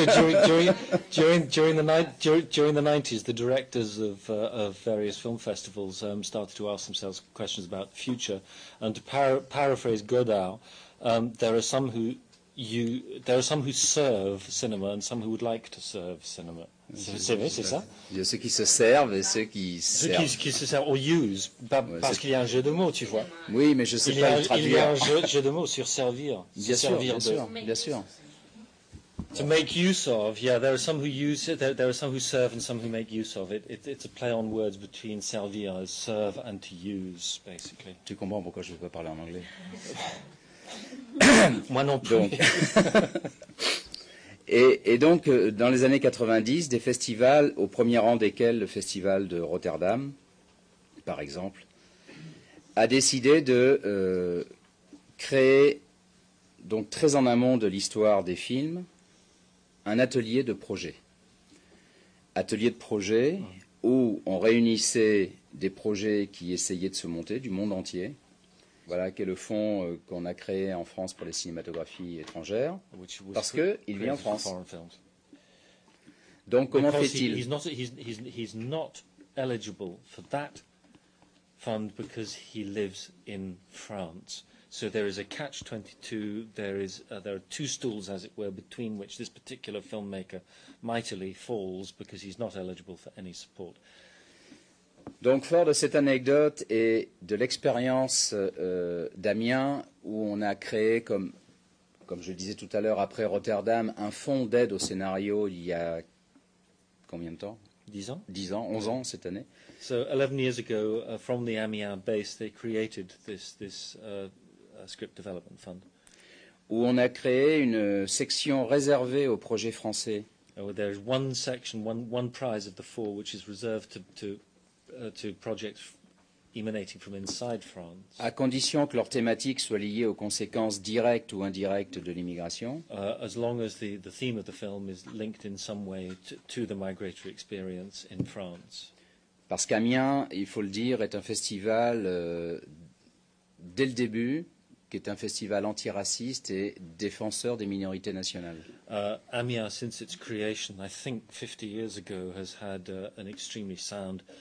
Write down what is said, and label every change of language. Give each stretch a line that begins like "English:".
English: So during the 90s, the directors of various film festivals started to ask themselves questions about the future. And to paraphrase Godard, there are some who serve cinema and some who would like to serve cinema.
French: C'est ça? Il y a ceux qui se servent et ceux qui servent. Ceux qui se servent, ou use, parce qu'il y a un jeu de mots, tu vois. Oui, mais je ne sais pas le traduire. Il y a un jeu de mots sur servir. Bien sûr.
English: To make use of, yeah, there are some who use it, there are some who serve and some who make use of it. It's a play on words between servir, serve, and to use, basically.
French: Tu comprends pourquoi je ne veux pas parler en anglais? Moi non plus. Donc. Et donc, dans les années 90, des festivals, au premier rang desquels le festival de Rotterdam, par exemple, a décidé de créer, donc très en amont de l'histoire des films, un atelier de projet. Atelier de projet où on réunissait des projets qui essayaient de se monter du monde entier. Voilà qui est le fonds qu'on a créé en France pour les cinématographies étrangères, parce qu'il vit en France. Donc comment fait-il?
English: He's not eligible for that fund because he lives in France. So there is a catch 22, there are two stools as it were between which this particular filmmaker mightily falls because he's not eligible for any support.
French: Donc, fort de cette anecdote et de l'expérience d'Amiens, où on a créé, comme je le disais tout à l'heure, après Rotterdam, un fonds d'aide au scénario il y a combien de temps ? 10 ans. 10 ans, 11 ans cette année.
English: So, 11 years ago, from the Amiens base, they created this script development fund.
French: Où on a créé une section réservée aux projets français.
English: Oh, there's one section, one prize of the four, which is reserved to projects emanating from inside France.
French: À condition que leur thématique soit liée aux conséquences directes ou indirectes de l'immigration.
English: As long as the theme of the film is linked in some way to the migratory experience in France.
French: Parce qu'Amiens, il faut le dire, est un festival dès le début, qui est un festival antiraciste et défenseur des minorités nationales.
English: Amiens, since its creation, I think 50 years ago, has had an extremely sound...